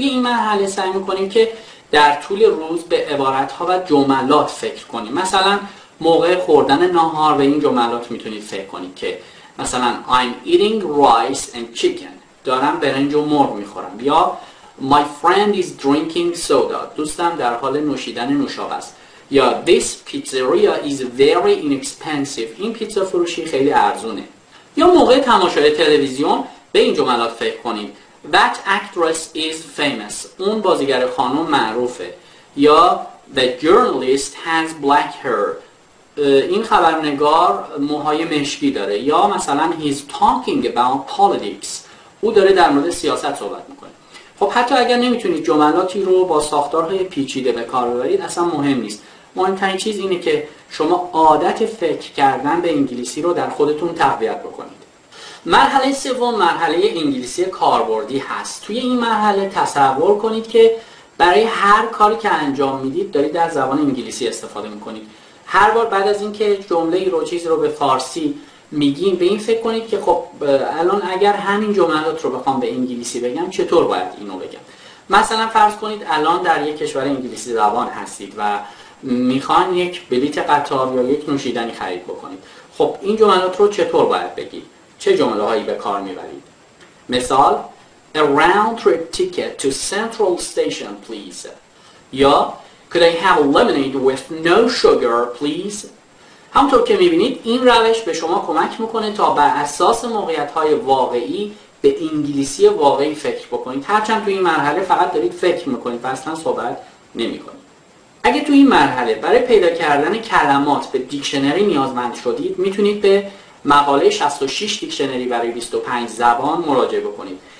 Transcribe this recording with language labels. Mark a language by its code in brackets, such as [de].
[fa] توی این مرحله سعی میکنیم که در طول روز به عبارتها و جملات فکر کنیم. مثلا موقع خوردن ناهار به این جملات میتونید فکر کنید که مثلا [en] I'm eating rice and chicken. [fa] دارم برنج و مرغ میخورم. یا [en] My friend is drinking soda. [fa] دوستم در حال نوشیدن نوشابه است. یا [en] This pizzeria is very inexpensive. [fa] این پیتزا فروشی خیلی ارزونه. یا موقع تماشای تلویزیون به این جملات فکر کنید: [en] That actress is famous. [fa] اون بازیگر خانم معروفه. یا [en] The journalist has black hair. [fa] این خبرنگار موهای مشکی داره. یا مثلا [en] He's talking about politics. [fa] او داره در مورد سیاست صحبت میکنه. خب حتی اگر نمیتونید جملاتی رو با ساختارهای پیچیده به کار ببرید اصلا مهم نیست. مهمترین چیز اینه که شما عادت فکر کردن به انگلیسی رو در خودتون تقویت بکنید. مرحله سوم مرحله انگلیسی کاربردی هست. توی این مرحله تصور کنید که برای هر کاری که انجام میدید دارید در زبان انگلیسی استفاده میکنید. هر بار بعد از اینکه جمله ای رو چیز رو به فارسی میگیم به این فکر کنید که خب الان اگر همین جملات رو بخوام به انگلیسی بگم چطور باید اینو بگم. مثلا فرض کنید الان در یک کشور انگلیسی زبان هستید و میخوان یک بلیت قطار یا یک نوشیدنی خرید بکنید. خب این جملات رو چطور باید بگید؟ چه جمله هایی به کار میبرید؟ مثال: [en] A round trip ticket to Central Station, please. [fa] یا [en] Could I have a lemonade with no sugar, please? [fa] همونطور که میبینید این روش به شما کمک میکنه تا بر اساس موقعیت های واقعی به انگلیسی واقعی فکر بکنید. هرچند تو این مرحله فقط دارید فکر میکنید و اصلا صحبت نمیکنید. اگه تو این مرحله برای پیدا کردن کلمات به دیکشنری نیازمند شدید، میتونید به مقاله 66 دیکشنری برای 25 زبان مراجعه بکنید.